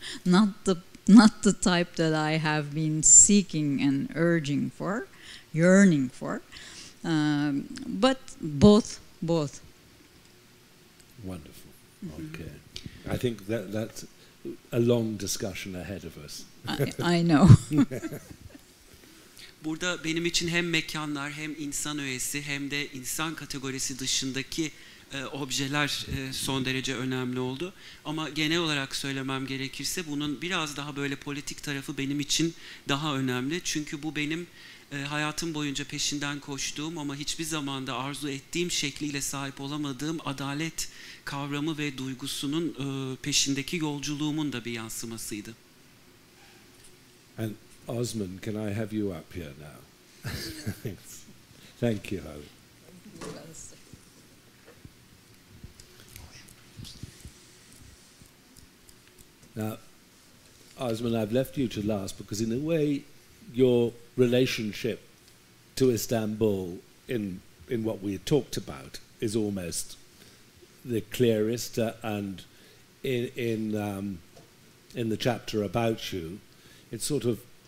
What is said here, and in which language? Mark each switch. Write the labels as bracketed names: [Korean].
[English] not the type that I have been seeking and urging for, yearning for, but both. Wonderful. Okay. Mm-hmm. I think that's a long discussion ahead of us. I know. [Turkish] Burada benim için hem mekanlar, hem insan öğesi, hem de insan kategorisi dışındaki objeler son derece önemli oldu. Ama genel olarak söylemem gerekirse bunun biraz daha böyle politik tarafı benim için daha önemli. Çünkü bu benim hayatım boyunca peşinden koştuğum ama hiçbir zaman da arzu ettiğim şekliyle sahip olamadığım adalet kavramı ve duygusunun peşindeki yolculuğumun da bir yansımasıydı. [English] And Osman, can I have you up here now? Thank you, Harry. Now, Osman, I've left you to last because in a way your relationship to Istanbul in what we talked about is almost the clearest and in the chapter about you, it sort of